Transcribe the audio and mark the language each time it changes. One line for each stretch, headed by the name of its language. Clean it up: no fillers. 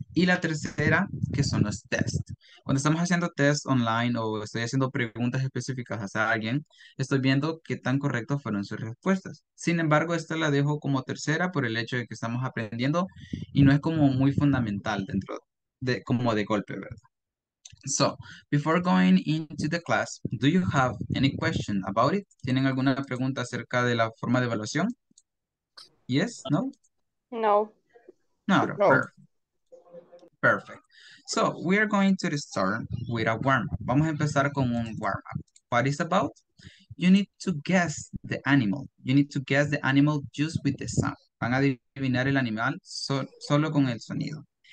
Spanish: Y la tercera, que son los tests. Cuando estamos haciendo tests online o estoy haciendo preguntas específicas a alguien, estoy viendo qué tan correctas fueron sus respuestas. Sin embargo, esta la dejo como tercera por el hecho de que estamos aprendiendo y no es como muy fundamental dentro de como de golpe, ¿verdad?
English: So, before going into the class, do you have any question about it?
Spanish: ¿Tienen alguna pregunta acerca de la forma de evaluación?
English: Yes, no? No, No, no. perfect. Perfect. So, we are going to start with a warm-up.
Spanish: Vamos a empezar con un warm-up.
English: What is it about? You need to guess the animal. You need to guess the animal just with the sound.
Spanish: Van a adivinar el animal solo con el sonido.